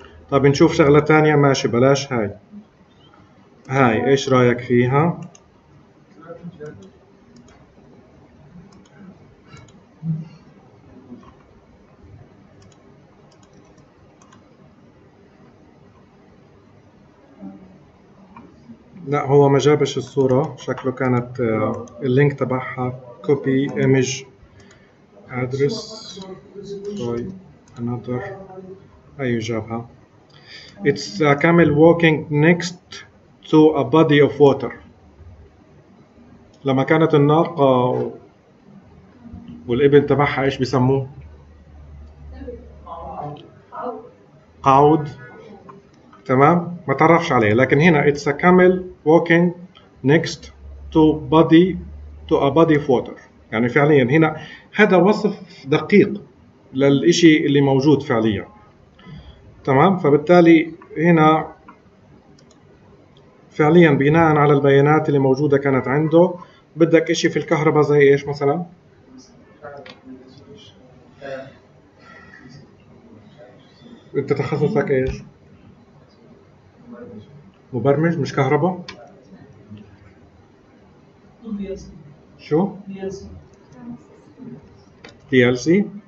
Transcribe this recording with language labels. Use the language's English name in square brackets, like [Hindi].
[Arabic] طيب نشوف شغلة تانية. ماشي بلاش هاي. هاي ايش رأيك فيها؟ لا هو ما جابش الصورة، شكله كانت اللينك تبعها [English] copy image address. try another. [Arabic] أي جابها. [English] It's a camel walking next to a body of water. [Arabic] لما كانت الناقة والابن تبعها ايش بيسموه؟ قعود. تمام؟ ما تعرفش عليه، لكن هنا [English] it's a camel walking next to body to a body of water. [Arabic] يعني فعليا هنا هذا وصف دقيق للإشي اللي موجود فعليا. تمام، فبالتالي هنا فعليا بناء على البيانات اللي موجودة كانت عنده، بدك إشي في الكهرباء زي إيش مثلا؟ انت تخصصك إيش؟ مبرمج مش كهرباء؟ شو؟ PLC.